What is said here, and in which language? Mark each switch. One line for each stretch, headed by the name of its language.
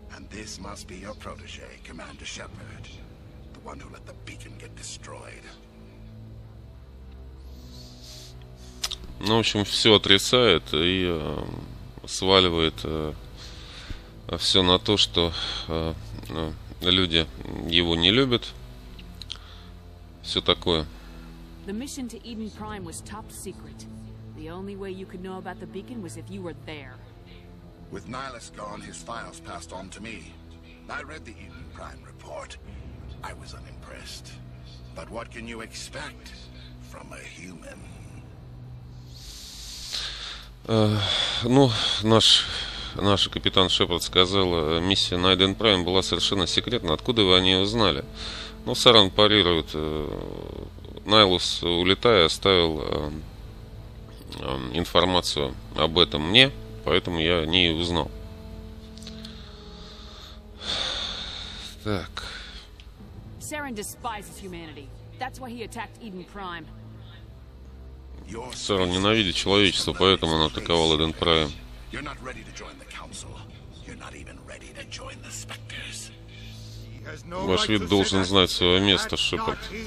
English: This must be your protege, Commander Shepard, the one who let the beacon get destroyed.
Russian: Ну, в общем, все отрицает и сваливает все на то, что люди его не любят. Все такое.
English: The mission to Eden Prime was top secret. The only way you could know about the beacon was if you were there. With Nihilus gone, his files passed on to me. I read the Eden Prime report. I was unimpressed. But what can you expect from a human?
Russian: Ну, наш капитан Шепард сказал, миссия на Eden Prime была совершенно секретна. Откуда вы о ней узнали? Ну, Саран парирует. Найлус, улетая, оставил информацию об этом мне, поэтому я о ней узнал. Так.
English: Saren despises humanity. That's why he attacked Eden Prime.
Russian: Саран ненавидит человечество, поэтому он атаковал Eden Prime.
English: You're not ready to join the council. You're not even ready to join the Spectres.
Russian: Ваш вид должен знать свое место, Шепард.